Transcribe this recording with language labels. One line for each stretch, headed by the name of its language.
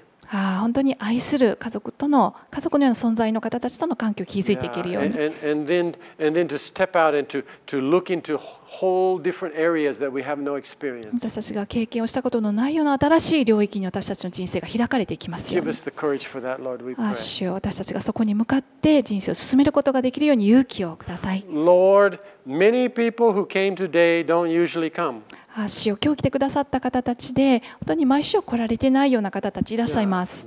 Japanese: 本当に愛する家族との家族のような存在の方たちとの関係を築いていけるように。
English: And then to step out and to look into whole different areas that we have no experience.
Japanese: 私たちが経験をしたことのないような新しい領域に私たちの人生が開かれていきますように。
English: Give us the courage for that, Lord. We pray.
Japanese: 主よ、私たちがそこに向かって人生を進めることができるように勇気をください。
English: Lord, many people who came today don't usually come.
Japanese: 主よ、今日来てくださった方たちで本当に毎週来られてないような方たちいらっしゃいます。